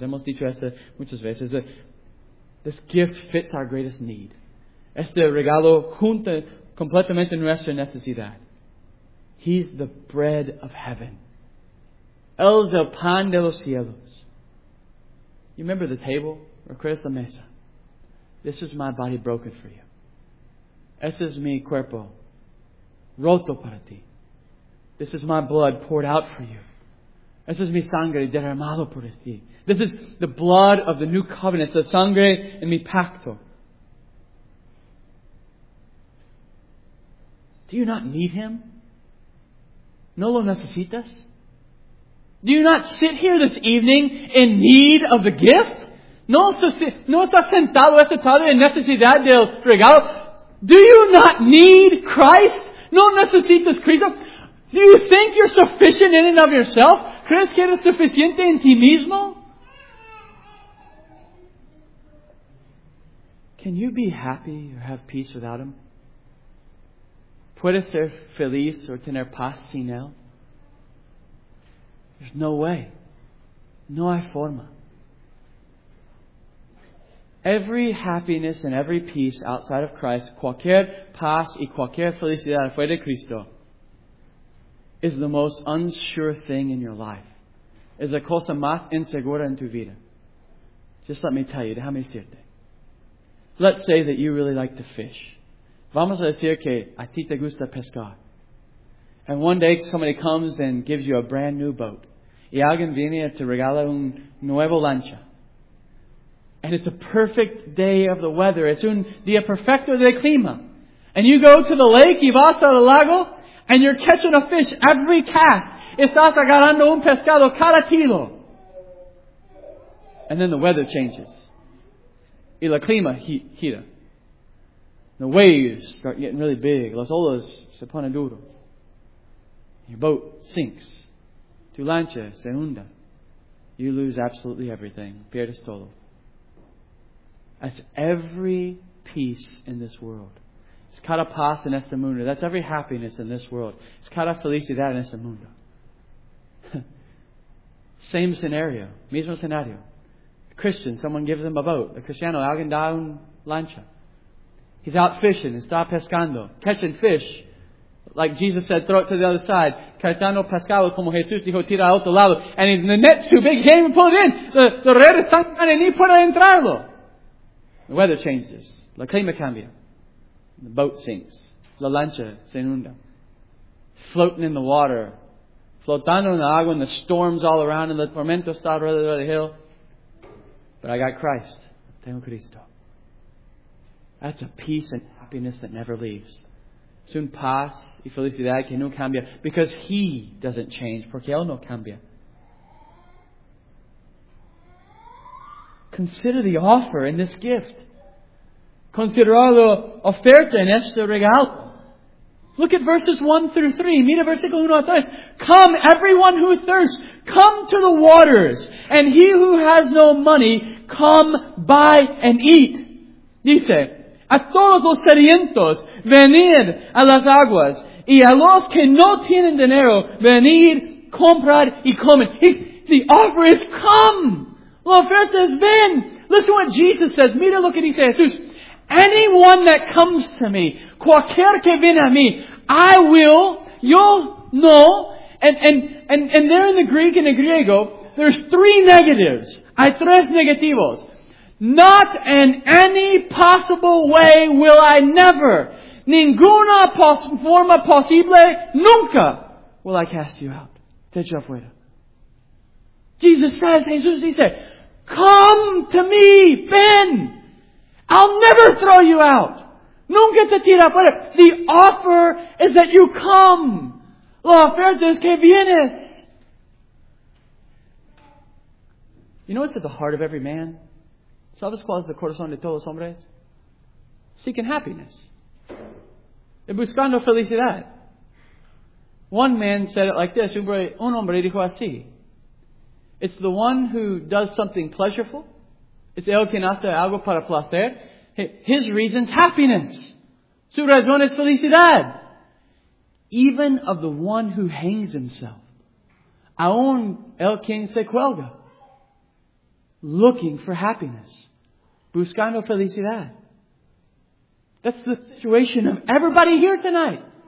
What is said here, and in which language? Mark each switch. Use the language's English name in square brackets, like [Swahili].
[Spanish] Hemos dicho esto muchas veces. [English] This gift fits our greatest need. [Spanish] Este regalo junta completamente nuestra necesidad. [English] He's the bread of heaven. [Spanish] Él es el pan de los cielos. [English] You remember the table? [Spanish] Recuerdas la mesa? [English] This is my body broken for you. [Spanish] Ese es mi cuerpo roto para ti. [English] This is my blood poured out for you. [Spanish] Esa es mi sangre derramado por ti. [English] This is the blood of the new covenant, the [Spanish] sangre en mi pacto. [English] Do you not need Him? [Spanish] ¿No lo necesitas? [English] Do you not sit here this evening in need of the gift? [Spanish] ¿No estás sentado esta tarde en necesidad del regalo? [English] Do you not need Christ? [Spanish] ¿No necesitas Cristo? [English] Do you think you're sufficient in and of yourself? [Spanish] ¿Crees que eres suficiente en ti mismo? [English] Can you be happy or have peace without Him? [Spanish] ¿Puedes ser feliz o tener paz sin Él? [English] There's no way. [Spanish] No hay forma. [English] Every happiness and every peace outside of Christ, [Spanish] cualquier paz y cualquier felicidad fuera de Cristo, [English] is the most unsure thing in your life. [Spanish] Es la cosa más insegura en tu vida. [English] Just let me tell you, [Spanish] déjame decirte. [English] Let's say that you really like to fish. [Spanish] Vamos a decir que a ti te gusta pescar. [English] And one day somebody comes and gives you a brand new boat. [Spanish] Y alguien viene y te regala un nuevo lancha. [English] And it's a perfect day of the weather. It's [Spanish] un día perfecto de clima. [English] And you go to the lake, [Spanish] y vas al lago, [English] and you're catching a fish every cast. [Spanish] Estás agarrando un pescado cada tiro. [English] And then the weather changes. [Spanish] Y la clima gira. [English] The waves start getting really big. [Spanish] Las olas se ponen duro. [English] Your boat sinks. [Spanish] Tu lancha se hunda. [English] You lose absolutely everything. [Spanish] Pierdes todo. [English] That's every peace in this world. It's [Spanish] cada paz en este mundo. [English] That's every happiness in this world. [Spanish] It's cada felicidad en este mundo. [English] Same scenario. [Spanish] Mismo scenario. [English] A Christian, someone gives him a boat. [Spanish] A Cristiano, alguien da un lancha. [English] He's out fishing. [Spanish] Está pescando. [English] Catching fish. Like Jesus said, throw it to the other side. [Spanish] Cachando pescado como Jesús dijo, tira a otro lado. [English] And the net's too big. He can't even pull it in. [Spanish] The red is tan grande ni puede entrarlo. [English] The weather changes. [Spanish] La clima cambia. [English] The boat sinks. [Spanish] La lancha se inunda. [English] Floating in the water. [Spanish] Flotando en la agua [English] and the storms all around and the [Spanish] tormento está alrededor [English] of the hill. But I got Christ. [Spanish] Tengo Cristo. [English] That's a peace and happiness that never leaves. [Spanish] Es un paz y felicidad que no cambia. [English] Because He doesn't change. [Spanish] Porque Él no cambia. [English] Consider the offer in this gift. [Spanish] Considerar la oferta en este regalo. [English] Look at verses 1 through 3. [Spanish] Mira versículo 1 a 3. [English] Come, everyone who thirsts, come to the waters. And he who has no money, come, buy, and eat. [Spanish] Dice, a todos los sedientos, venid a las aguas. Y a los que no tienen dinero, venid, comprad y comen. [English] The offer is come. [Spanish] La oferta es ven. [English] Listen to what Jesus says. [Spanish] Mira lo que dice Jesús. [English] Anyone that comes to me, [Spanish] cualquier que viene a mí, [English] I will, you'll know. And there in the Greek and the Griego, there's three negatives. [Spanish] Hay tres negativos. [English] Not in any possible way will I never. [Spanish] Ninguna forma posible, nunca [English] will I cast you out. [Spanish] Te echo afuera. [English] Jesus says, [Spanish] Jesus dice, [English] come to me, [Spanish] ven. [English] I'll never throw you out. [Spanish] Nunca te tira afuera. [English] The offer is that you come. [Spanish] La oferta es que vienes. [English] You know what's at the heart of every man? [Spanish] ¿Sabes cuál es el corazón de todos los hombres? [English] Seeking happiness. [Spanish] Y buscando felicidad. [English] One man said it like this. [Spanish] Un hombre dijo así. [English] It's the one who does something pleasureful. [Spanish] Es el quien hace algo para placer. [English] His reason's happiness. [Spanish] Su razón es felicidad. [English] Even of the one who hangs himself. [Spanish] Aún el quien se cuelga. [English] Looking for happiness. [Spanish] Buscando felicidad. [English] That's the situation of everybody here tonight.